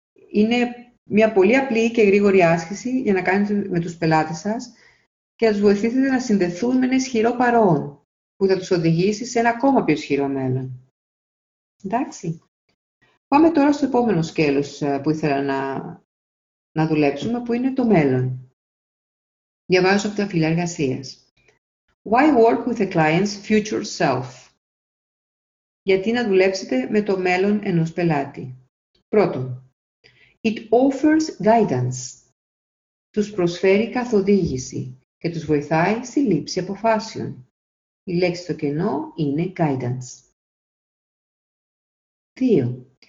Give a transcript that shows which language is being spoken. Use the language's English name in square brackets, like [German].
[Greek] Είναι μια πολύ απλή και γρήγορη άσκηση για να κάνετε με τους πελάτες σας και να τους βοηθήσετε να συνδεθούν με ένα ισχυρό παρόν που θα τους οδηγήσει σε ένα ακόμα πιο ισχυρό μέλλον. Εντάξει. Πάμε τώρα στο επόμενο σκέλος που ήθελα να δουλέψουμε, που είναι το μέλλον. Διαβάζω από τα φύλλα εργασίας. [English] Why work with a client's future self? [Greek] Γιατί να δουλέψετε με το μέλλον ενός πελάτη. Πρώτον, [English] it offers guidance. [Greek] Τους προσφέρει καθοδήγηση και τους βοηθάει στη λήψη αποφάσεων. Η λέξη στο κενό είναι guidance. 2.